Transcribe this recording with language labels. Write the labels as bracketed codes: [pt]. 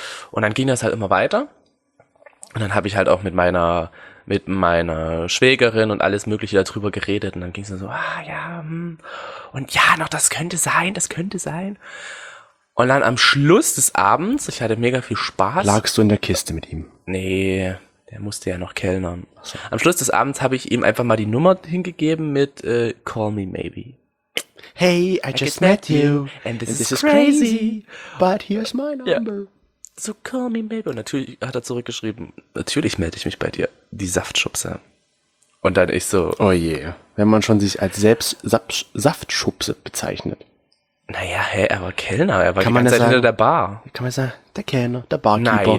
[de] Und dann ging das halt immer weiter und dann habe ich halt auch mit meiner Schwägerin und alles mögliche darüber geredet und dann ging es so, ah ja, und ja, noch, das könnte sein. Und dann am Schluss des Abends, ich hatte mega viel Spaß. Lagst du in der Kiste mit ihm? Nee. Er musste ja noch kellnern. Am Schluss des Abends habe ich ihm einfach mal die Nummer hingegeben mit Call Me Maybe. [en] Hey, I just met you and this is crazy, but here's my number. Ja. [de] So Call Me Maybe. Und natürlich hat er zurückgeschrieben, natürlich melde ich mich bei dir, die Saftschubse. Und dann ich so... Oh je, wenn man schon sich als selbst Saftschubse bezeichnet. Naja, er war Kellner, er war die ganze Zeit hinter der Bar. Kann man sagen, der Kellner, der Barkeeper.